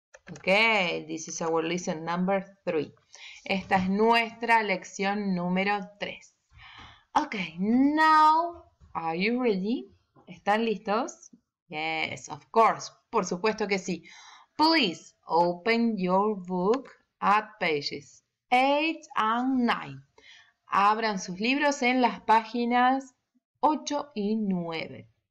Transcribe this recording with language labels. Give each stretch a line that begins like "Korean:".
English: Ok, this is our lesson number 3.
Spanish: Esta es nuestra lección número 3.
English: Ok, now, are you ready?
Spanish: ¿Están listos?
English: Yes, of course,
Spanish: por supuesto que sí.
English: Please open your book at pages 8 and 9.
Spanish: Abran sus libros en las páginas 8 y 9.